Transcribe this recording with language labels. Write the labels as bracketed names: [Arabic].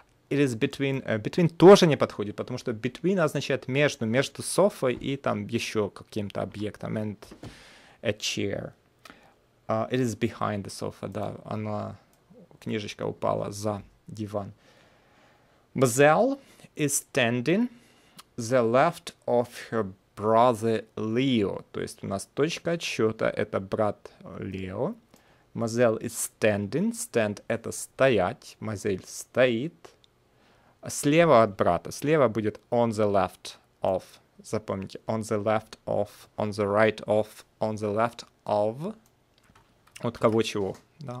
[English] It is between. [Russian] Between тоже не подходит, потому что between означает между софой и там еще каким-то объектом. [English] And a chair. It is behind the sofa, [Russian] да. Она, книжечка упала за диван. [English] Mazel is standing the left of her brother Leo. [Russian] То есть у нас точка отсчета — это брат Лео. [English] Mazel is standing. Stand — [Russian] это стоять. Mazel стоит. Слева от брата. Слева будет [English] on the left of. [Russian] Запомните. [English] On the left of. On the right of. On the left of. [Russian] От кого чего. Да?